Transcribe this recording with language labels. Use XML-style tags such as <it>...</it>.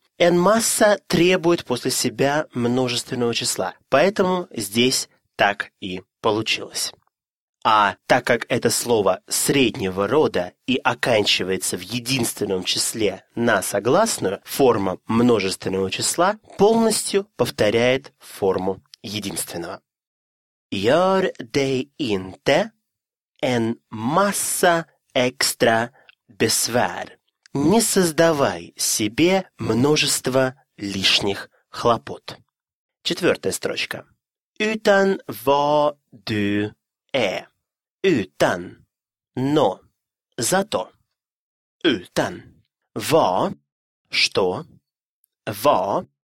<ru>«En massa» требует после себя множественного числа, поэтому здесь так и получилось. А так как это слово среднего рода и оканчивается в единственном числе на согласную, форма множественного числа полностью повторяет форму единственного.</ru> <sv>Gör dig inte en massa extra besvär.</sv> <ru>Не создавай себе множество лишних хлопот. Четвертая строчка.</ru> <sv>Utan vad du är. Utan. Но. Зато. Utan. Vad. Что. Vad.</sv>